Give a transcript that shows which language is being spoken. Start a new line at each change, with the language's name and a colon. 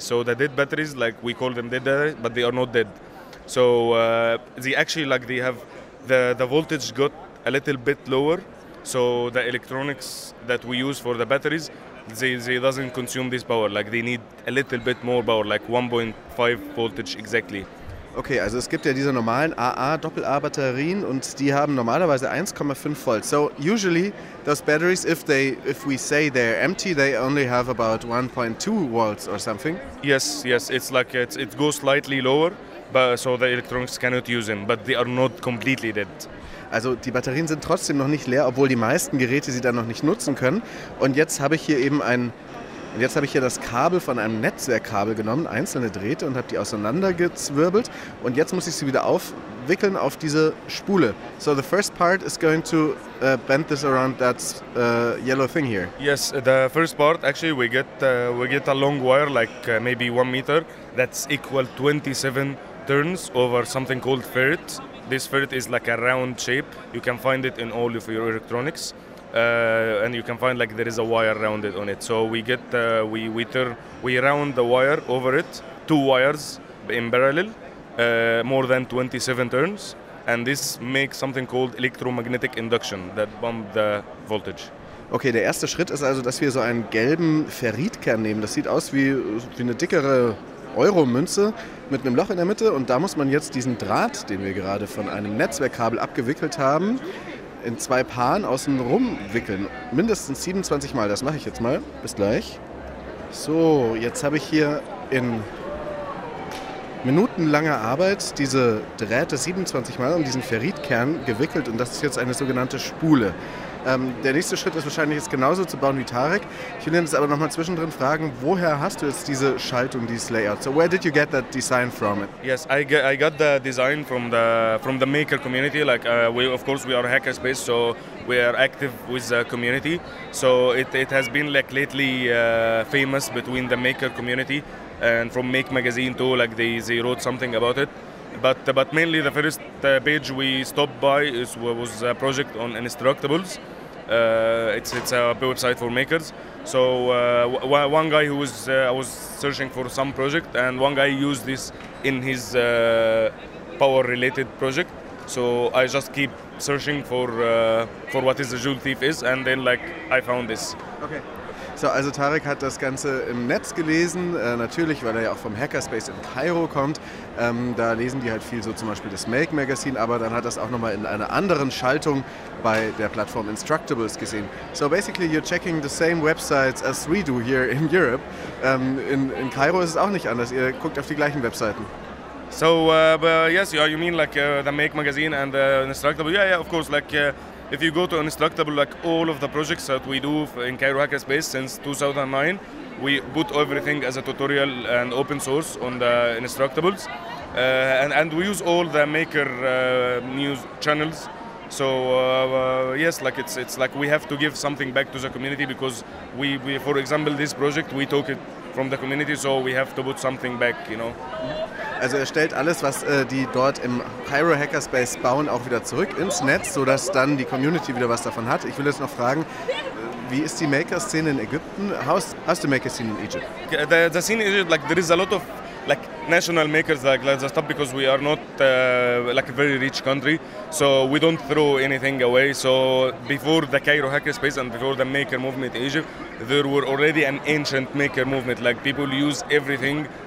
English: So the dead batteries, like we call them dead batteries, but they are not dead. So they actually, like they have, the voltage got a little bit lower. So the electronics that we use for the batteries, they doesn't consume this power. Like they need a little bit more power, like 1.5 voltage exactly.
German: Okay, also es gibt ja diese normalen AA-Doppel-A-Batterien und die haben normalerweise 1,5 Volt.
English: So usually those batteries, if we say they're empty, they only have about 1.2 volts or something. Yes, it's like it goes slightly lower, but so the electronics cannot use them, but they are not completely dead.
German: Also die Batterien sind trotzdem noch nicht leer, obwohl die meisten Geräte sie dann noch nicht nutzen können. Und jetzt habe ich hier eben das Kabel von einem Netzwerkkabel genommen, einzelne Drähte, und habe die auseinandergezwirbelt. Und jetzt muss ich sie wieder aufwickeln auf diese Spule.
English: So the first part is going to bend this around that yellow thing here. Yes, the first part actually we get a long wire like maybe 1 meter that's equal 27 turns over something called ferrit. This ferrit is like a round shape. You can find it in all of your electronics. And you can find like there is a wire around it on it. So we get, we round the wire over it, two wires in parallel, more than 27 turns. And this makes something called electromagnetic induction that bump the voltage.
German: Okay, der erste Schritt ist also, dass wir so einen gelben Ferritkern nehmen. Das sieht aus wie eine dickere Euro-Münze mit einem Loch in der Mitte. Und da muss man jetzt diesen Draht, den wir gerade von einem Netzwerkkabel abgewickelt haben, in zwei Paaren außen rum wickeln. Mindestens 27 Mal, das mache ich jetzt mal. Bis gleich. So, jetzt habe ich hier in minutenlanger Arbeit diese Drähte 27 Mal um diesen Ferritkern gewickelt und das ist jetzt eine sogenannte Spule. Der nächste Schritt ist wahrscheinlich jetzt genauso zu bauen wie Tarek. Ich will jetzt aber nochmal zwischendrin fragen, woher hast du jetzt diese Schaltung, dieses Layout?
English: So where did you get that design from? Yes, I got the design from the maker community. Like we are a hacker space, so we are active with the community. So it has been like lately famous between the maker community and from Make Magazine too. Like they wrote something about it. But mainly the first page we stopped by was a project on Instructables. It's a website for makers. So one guy who was I was searching for some project and one guy used this in his power related project. So I just keep searching for what is the Joule Thief is, and then like I found this. Okay.
German: So, also Tarek hat das Ganze im Netz gelesen, natürlich, weil er ja auch vom Hackerspace in Kairo kommt. Da lesen die halt viel so zum Beispiel das Make Magazine, aber dann hat das auch nochmal in einer anderen Schaltung bei der Plattform Instructables gesehen.
English: So basically you're checking the same websites as we do here in Europe.
German: In Kairo ist es auch nicht anders, ihr guckt auf die gleichen Webseiten.
English: So, but yes, you mean like the Make Magazine and the Instructables? Yeah, of course, like... If you go to Instructable, like all of the projects that we do in Cairo Hackerspace since 2009, we put everything as a tutorial and open source on the Instructables. And we use all the maker news channels. So yes, like it's like we have to give something back to the community because we for example, this project, we took it from the community, so we have to put something back, you know.
German: Also er stellt alles, was die dort im Cairo Hackerspace bauen, auch wieder zurück ins Netz, sodass dann die Community wieder was davon hat. Ich will jetzt noch fragen, wie ist die Maker-Szene in Ägypten?
English: How's the Maker-Szene in Egypt? The scene in Egypt, like, there is a lot of like national makers like the stuff because we are not like a very rich country, so we don't throw anything away. So before the Cairo Hackerspace and before the maker movement in Egypt, there were already an ancient maker movement, like people use everything.